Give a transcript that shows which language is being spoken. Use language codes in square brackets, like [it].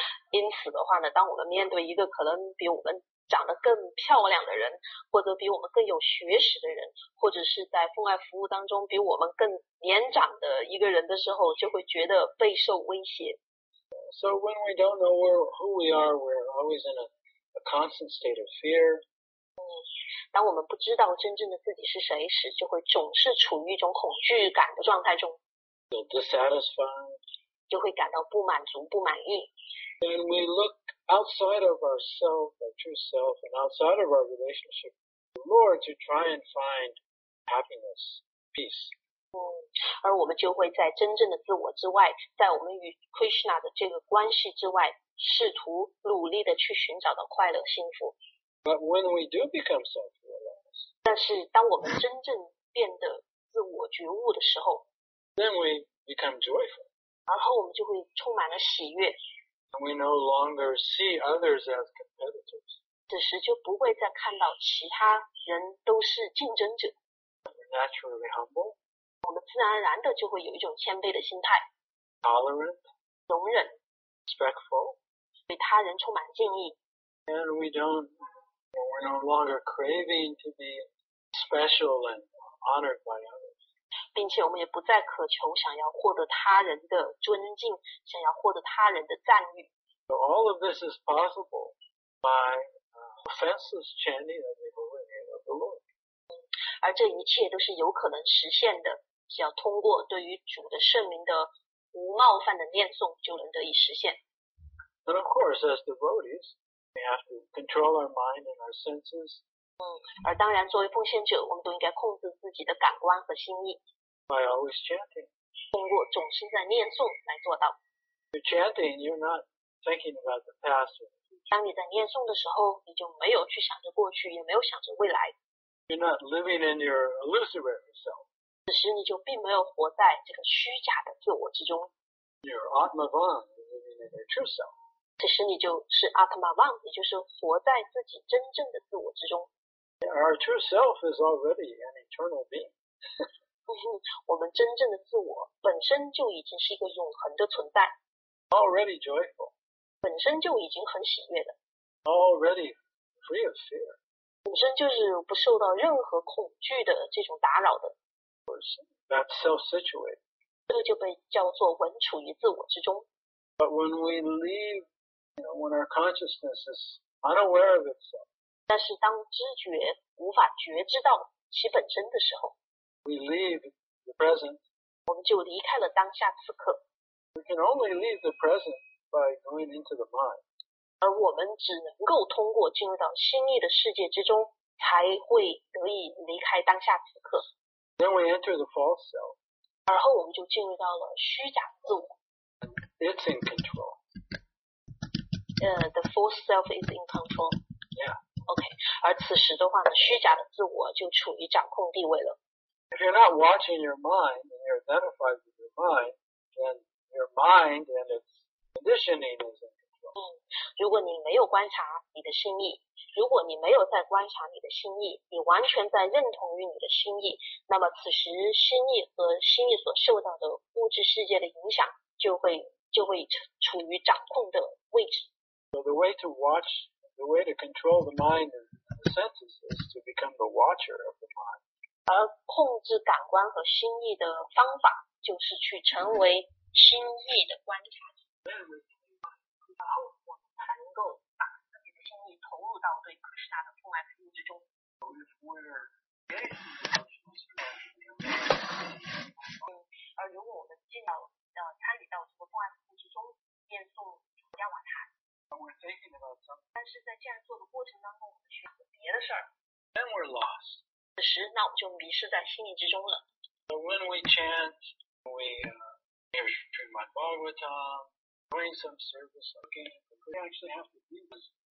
[zh] 因此的话呢，当我们面对一个可能比我们长得更漂亮的人，或者比我们更有学识的人，或者是在奉爱服务当中比我们更年长的一个人的时候，就会觉得备受威胁。 [en] So when we don't know who we are, we're always in a constant state of fear. [zh] 当我们不知道真正的自己是谁时，就会总是处于一种恐惧感的状态中。 [en] Dissatisfied. [zh] 就会感到不满足，不满意。 [en] And we look outside of ourselves, our true self, and outside of our relationship with the Lord to try and find happiness, peace. [zh] 而我们就会在真正的自我之外，在我们与 Krishna 的这个关系之外，试图努力的去寻找到快乐、幸福。 [en] But when we do become self-realized, [zh] 但是当我们真正变得自我觉悟的时候， [en] then we become joyful. [zh] 然后我们就会充满了喜悦。 [en] And we no longer see others as competitors. [zh] 此时就不会再看到其他人都是竞争者。 [en] We're naturally humble. [zh] 我们自然而然的就会有一种谦卑的心态。 [en] Tolerant. [zh] 容忍。 [en] Respectful. [zh] 对他人充满敬意。 [en] And we're no longer craving to be special and honored by others. [zh] 并且我们也不再渴求想要获得他人的尊敬，想要获得他人的赞誉。 [en] So all of this is possible by offenses chanting of the holy name of the Lord. [zh] 而这一切都是有可能实现的，只要通过对于主的圣名的无冒犯的念诵，就能得以实现。 [en] But of course, as devotees, we have to control our mind and our senses. [zh] 而当然作为奉献者，我们都应该控制自己的感官和心意。 [en] By always chanting. [zh] 通过总是在念诵来做到。 [en] You're chanting, you're not thinking about the past or the future. [zh] 当你在念诵的时候，你就没有去想着过去，也没有想着未来。 [en] You're not living in your illusory self. [zh] 此时你就并没有活在这个虚假的自我之中。 [en] You're Atmavan, living in your true self. [zh] 其实你就是 Atmavan, 也就是活在自己真正的自我之中。 [en] Our true self is already an eternal being. [zh] 我们真正的自我本身就已经是一个永恒的存在。 [en] Already joyful. [zh] 本身就已经很喜悦的。 [en] Already free of fear. [zh] 本身就是不受到任何恐惧的这种打扰的。 [en] That's self-situated. [zh] 这就被叫做稳处于自我之中。 [en] But when we leave,when our consciousness is unaware of itself, [zh] 但是当知觉无法觉知到其本身的时候， [en] we leave the present. [zh] 我们就离开了当下此刻。 [en] We can only leave the present by going into the mind. [zh] 而我们只能够通过进入到心意的世界之中，才会得以离开当下此刻。 [en] Then we enter the false self. [zh] 而后我们就进入到了虚假自我。 [en] It's in control. The false self is in control. Yeah. Okay. [zh] 而此时的话呢，虚假的自我就处于掌控地位了。 [en] If you're not watching your mind and you're identified with your mind, then your mind and its conditioning is in control. [zh] 如果你没有观察你的心意，如果你没有在观察你的心意，你完全在认同于你的心意，那么此时心意和心意所受到的物质世界的影响就会处于掌控的位置。 [en] So the way to watch, the way to control the mind and the senses is to become the watcher of the mind. [zh] 而控制感官和心意的方法就是去成为心意的观察者。然后我们才能够把自己的心意投入到对 Krishna 的奉爱服务之中。而如果我们参与到这个奉爱服务之中，念诵主要瓦塔。 [en] We're thinking about something. [zh] 但是在这样做的过程当中，我们去想别的事儿。 [en] Then we're lost. [zh] 此时，那我就迷失在心念之中了。 [en] But when we chant, we hear Srimad Bhagavatam, doing some service, okay, we actually have to be this.